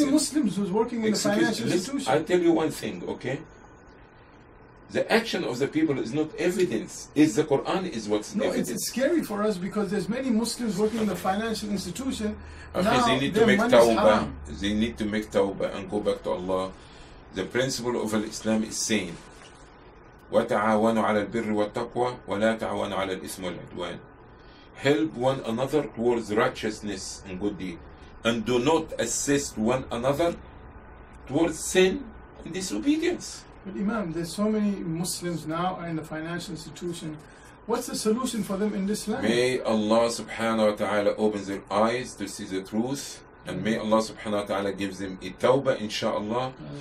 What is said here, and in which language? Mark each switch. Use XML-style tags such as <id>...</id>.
<en>Many Muslims who's working in the financial institution. I tell you one thing, okay? The action of the people is not evidence. It's the Quran is what's no, evidence. No, it's scary for us because there's many Muslims working in the financial institution. Now, they need to make tawbah. They need to make tawbah and go back to Allah. The principle of Islam is saying,</en> <ar>وَتَعَوَنُوا عَلَى الْبِرِّ وَالتَّقْوَى وَلَا تَعَوَنُوا عَلَى الْإِثْمِ وَالْعُدْوَانِ.</ar> <en>Help one another towards righteousness and good deed, and do not assist one another towards sin and disobedience. But Imam, there's so many Muslims now in the financial institution. What's the solution for them in this land? May Allah subhanahu wa ta'ala open their eyes to see the truth, and may Allah subhanahu wa ta'ala give them a tawbah insha'Allah.</en>